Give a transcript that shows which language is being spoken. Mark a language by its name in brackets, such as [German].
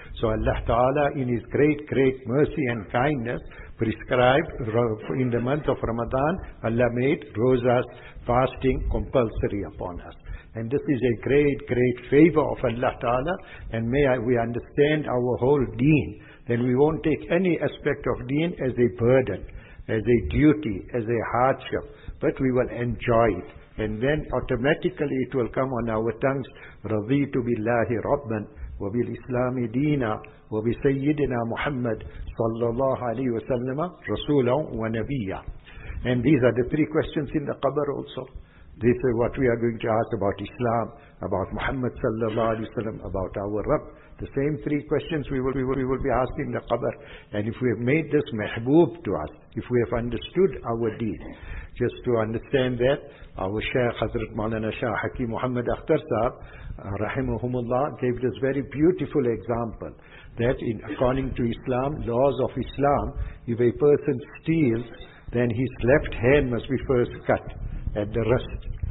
[English] So Allah Ta'ala in His great, great mercy and kindness prescribed in the month of Ramadan, Allah made rozas, fasting compulsory upon us. And this is a great, great favor of Allah Ta'ala. And may we understand our whole deen, then we won't take any aspect of deen as a burden, as a duty, as a hardship, but we will enjoy it. And then automatically it will come on our tongues, [Arabic] رَضِيْتُ بِاللَّهِ رَبًّا وَبِالْإِسْلَامِ دِينًا وَبِسَيِّدِنَا مُحَمَّدٍ صَلَّى اللَّهُ عَلَيْهِ وَسَلَّمَ رَسُولًا وَنَبِيًّا. [English] And these are the three questions in the qabr also. This is what we are going to ask about Islam, about Muhammad صلى الله عليه وسلم, about our Rabb. The same three questions we will be asking the qabr. And if we have made this mahbub to us, if we have understood our deed, just to understand that, our Shaykh Hazrat Maulana Shah Hakim Muhammad Akhtar Sahib, rahimahumullah, gave this very beautiful example that in according to Islam, laws of Islam, if a person steals, then his left hand must be first cut at the wrist.